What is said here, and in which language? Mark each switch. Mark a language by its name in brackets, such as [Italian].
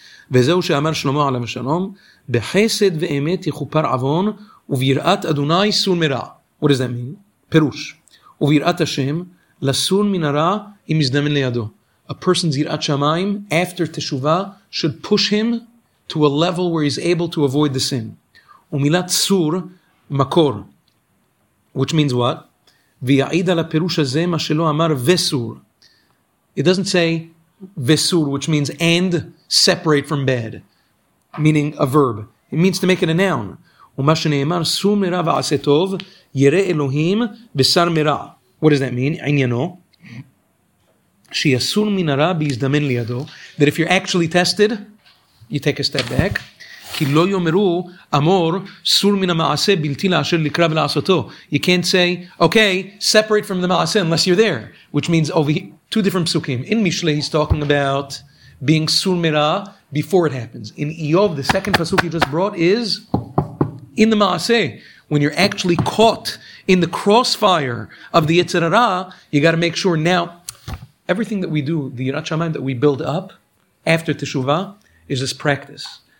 [Hebrew] וזהו שאמר שלמה עליו השלום, בחסד ואמת יחופר עוון, וביראת אדוני סור מרע. [English] What does that mean? [Hebrew] פירוש. וביראת השם, לסור מן הרע, אם מזדמן לידו. [English] A person's יראת שמיים, after תשובה, should push him to a level where he's able to avoid the sin. [Hebrew] ומילת סור, מקור. [English] Which means what? [Hebrew] ויעיד על הפירוש הזה מה שלא אמר וסור. [English] It doesn't say וסור, which means and separate from bed, meaning a verb. It means to make it a noun. [Hebrew] ומה שנאמר, סור מרע ועשה טוב, ירא אלוהים בשר מרע. [English] What does that mean? [Hebrew] עניינו, שיסור מן הרע בהזדמן לידו, [English] that if you're actually tested, you take a step back. [Hebrew] כי לא יאמרו, אמור, סור מן המעשה בלתי לאשר לקרא ולעשותו. [English] You can't say, okay, separate from the מעשה unless you're there, which means over here, two different psukim. In Mishle, he's talking about being sur mera before it happens. In Iyov, the second pasuk he just brought is in the ma'aseh. When you're actually caught in the crossfire of the yetzer hara, you got to make sure now, everything that we do, the yirat shamayim that we build up after teshuvah, is this practice.